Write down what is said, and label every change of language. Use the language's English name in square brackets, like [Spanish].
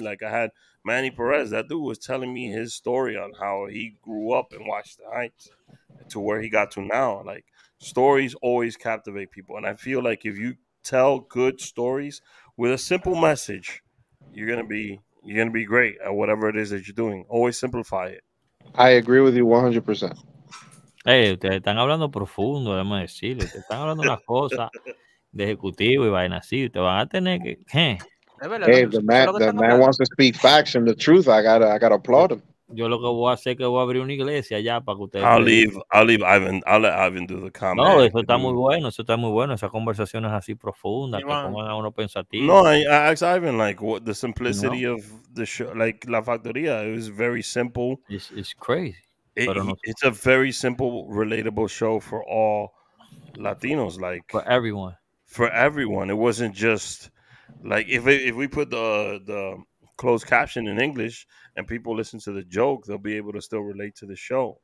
[English] Like I had Manny Perez. That dude was telling me his story on how he grew up and watched the Knights to where he got to now. Like, stories always captivate people. And I feel like if you tell good stories with a simple message, You're gonna be great at whatever it is that you're doing. Always simplify it. I agree with you 100%. [Spanish] Hey, ustedes están hablando profundo, vamos a decirle. Ustedes están hablando las cosas de ejecutivo y vainas así. Ustedes van a tener que. [English] Hey, the man wants to speak facts and the truth. I gotta applaud him. [Spanish] Yo lo que voy a hacer es que voy a abrir una iglesia allá para que ustedes. [English] I'll leave Ivan. I'll let Ivan do the comment. [Spanish] No, eso está muy bueno. Eso está muy bueno. Esas conversaciones así profundas, que pongan a uno pensativo. [English] No, I asked Ivan, like, what the simplicity of the show, like, La Factoria. It was very simple. It's crazy. It's a very simple, relatable show for all Latinos. Like, for everyone. For everyone. It wasn't just, like, if we put the closed caption in English and people listen to the joke, they'll be able to still relate to the show.